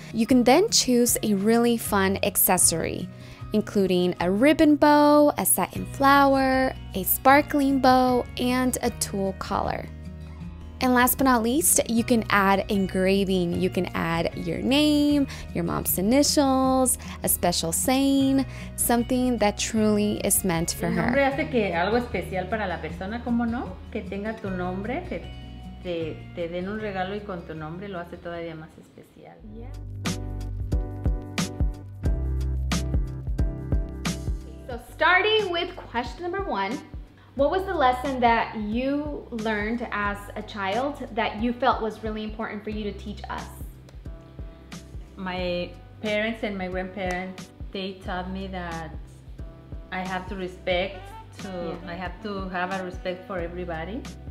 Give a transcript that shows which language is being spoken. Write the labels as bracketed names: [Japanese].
[English] You can then choose a really fun accessory, including a ribbon bow, a satin flower, a sparkling bow, and a tulle collar. And last but not least, you can add engraving. You can add your name, your mom's initials, a special saying, something that truly is meant for her. [Spanish] El nombre hace que algo especial para la persona, como no, que tenga tu nombre, que te den un regalo y con tu nombre lo hace todavía más especial. [English] So starting with question number one, what was the lesson that you learned as a child that you felt was really important for you to teach us? My parents and my grandparents, they taught me that I have to I have to have a respect for everybody.